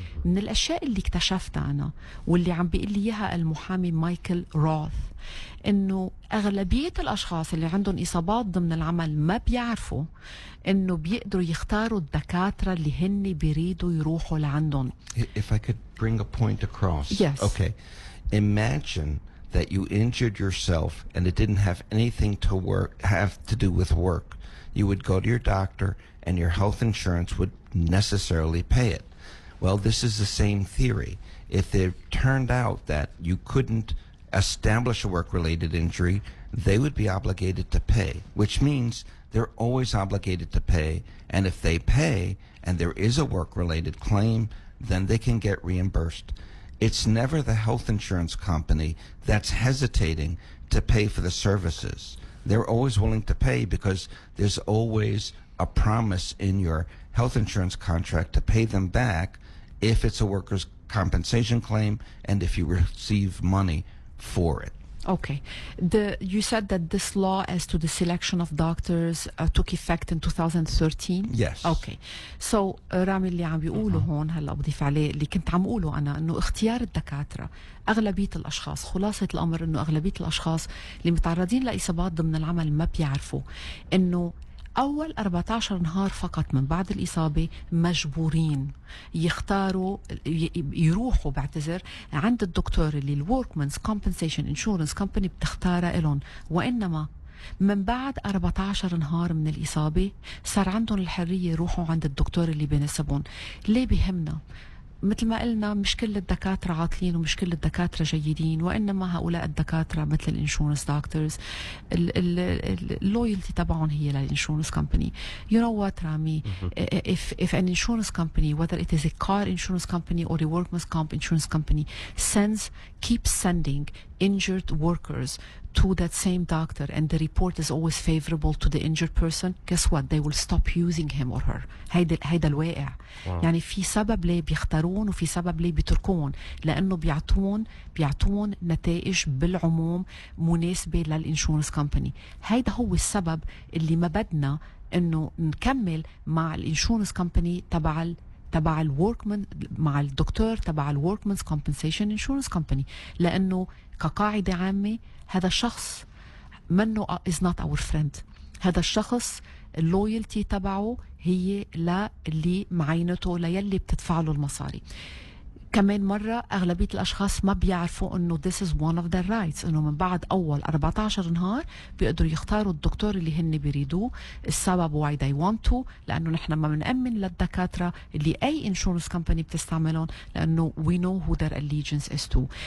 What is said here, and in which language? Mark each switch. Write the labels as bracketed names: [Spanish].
[Arabic] من الأشياء اللي اكتشفتها أنا واللي عم بيقلي إياها المحامي مايكل روث إنه أغلبية الأشخاص اللي عندهم إصابات ضمن العمل ما بيعرفوا إنه بيقدروا يختاروا الدكاترة اللي هن بيريدوا يروحوا لعندهم. [English] If I could bring a point across. Yes. Okay. Imagine that you injured yourself and it didn't have anything to work have to do with work. You would go to your doctor and your health insurance would necessarily pay it. Well, this is the same theory. If it turned out that you couldn't establish a work-related injury, they would be obligated to pay, which means they're always obligated to pay. And if they pay and there is a work-related claim, then they can get reimbursed. It's never the health insurance company that's hesitating to pay for the services. They're always willing to pay because there's always a promise in your health insurance contract to pay them back if it's a workers' compensation claim and if you receive money for it. Okay. You said that this law as to the selection of doctors took effect in 2013? Yes. Okay. [Arabic] So, Rami, اللي عم بيقوله هون, هلا بضيف عليه اللي كنت عم قوله أنا, أنه اختيار الدكاترة, أغلبية الأشخاص, خلاصة الأمر أنه أغلبية الأشخاص اللي متعرضين لإصابات ضمن العمل ما بيعرفوا أنه أول 14 نهار فقط من بعد الإصابة مجبورين يختاروا يروحوا بعتذر عند الدكتور اللي الـ Workman's Compensation Insurance Company بتختاره إلهم, وإنما من بعد 14 نهار من الإصابة صار عندهم الحرية يروحوا عند الدكتور اللي بيناسبهم. ليه بهمنا؟ مثل ما قلنا مش كل الدكاترة عاطلين ومش كل الدكاترة جيدين, وإنما هؤلاء الدكاترة مثل الانشورنس دكتورز اللويالتي تبعهم هي للانشورنس كمباني. [English] You know what, Rami? If an insurance company, whether it is a car insurance company or a workman's comp insurance company, keeps sending injured workers to that same doctor and the report is always favorable to the injured person, guess what? They will stop using him or her. [Arabic] هيدا الواقع. يعني في سبب ليه بيختارون وفي سبب ليه بيتركون, لأنه بيعطون نتائج بالعموم مناسبة للإنشورنس كمباني. هيدا هو السبب اللي ما بدنا إنه نكمل مع الإنشورنس كمباني تبع الوركمان, مع الدكتور تبع الوركمانز كومبنسيشن انشورنس كمباني, لأنه كقاعدة عامة هذا الشخص منه [English] is not our friend. [Arabic] هذا الشخص اللويالتي تبعه هي للي معينته للي بتدفع له المصاري. كمان مرة أغلبية الأشخاص ما بيعرفوا أنه [English] this is one of their rights, [Arabic] أنه من بعد أول 14 نهار بيقدروا يختاروا الدكتور اللي هن بيريدوه. السبب [English] why they want to, [Arabic] لأنه نحن ما منأمن للدكاترة اللي أي insurance company بتستعملون, لأنه [English] we know who their allegiance is to.